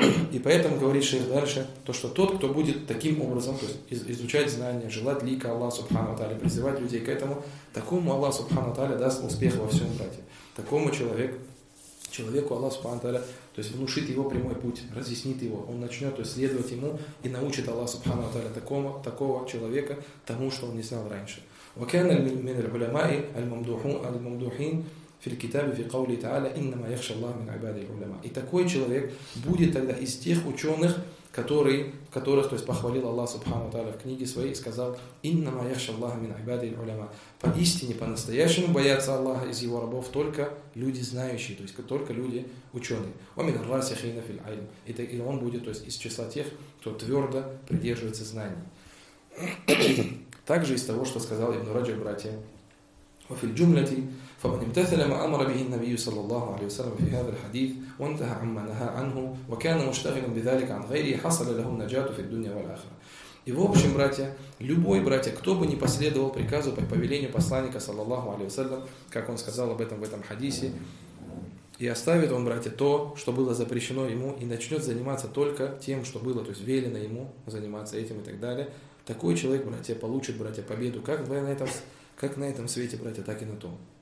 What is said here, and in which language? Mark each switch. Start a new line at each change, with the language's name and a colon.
Russian: И поэтому говорит шейх дальше, то, что тот, кто будет таким образом, то есть изучать знания, желать лика Аллаха, субхану тааля, призывать людей к этому, такому Аллах, субхану тааля, даст успех во всем, братья. Такому человеку Аллах, субхану тааля, то есть внушит его прямой путь, разъяснит его, он начнет, то есть, следовать ему и научит Аллах Субхану ва Тааля такого человека тому, что он не знал раньше.
Arabic: وكان من العلماء الممدوحين في الكتاب في قوله تعالى إنما يخشى الله من عباده العلماء.
Russian: И такой человек будет тогда из тех ученых, которых, то есть, похвалил Аллах Субхану ва Тааля в книге своей и сказал:
Arabic: إنما يخشى الله من عباده العلماء.
Russian: Поистине, по-настоящему боятся Аллаха из его рабов только люди знающие, то есть только люди ученые.
Arabic: وَمِنَ الرَّاسِخِينَ فِي الْعَلْمِ.
Russian: И он будет, то есть, из числа тех, кто твердо придерживается знаний. Также из того, что сказал Ибн Раджб братьям.
Arabic: وفي الجملة فمن امتثل ما أمر به النبي صلى الله عليه وسلم في هذا الحديث وانتهى عما نهى عنه وكان مشتغلا بذلك عن غيره حصل له النجاة في الدنيا والآخرة.
Russian: И в общем, братья, любой братья, кто бы не последовал приказу по повелению посланника, саллаллаху алейхи ва саллям, как он сказал об этом в этом хадисе, и оставит он, братья, то, что было запрещено ему, и начнет заниматься только тем, что было, то есть велено ему заниматься этим и так далее, такой человек, братья, получит, братья, победу как на этом свете, братья, так и на том.